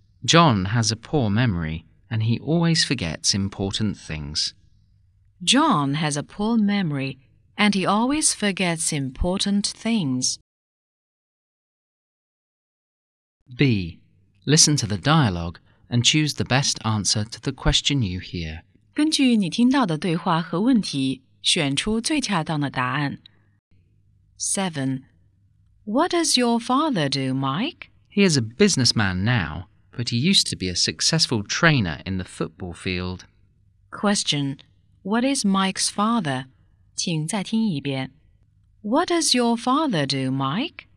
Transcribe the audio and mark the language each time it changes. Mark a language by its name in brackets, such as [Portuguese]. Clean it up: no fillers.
[English] John has a poor memory and he always forgets important things. John has a poor memory, and he always forgets important things. B. Listen to the dialogue and choose the best answer to the question you hear. [Chinese] 根据你听到的对话和问题，选出最恰当的答案。 [English] 7. What does your father do, Mike? He is a businessman now, but he used to be a successful trainer in the football field. Question. What is Mike's father? [Chinese] 请再听一遍。 [English] What does your father do, Mike?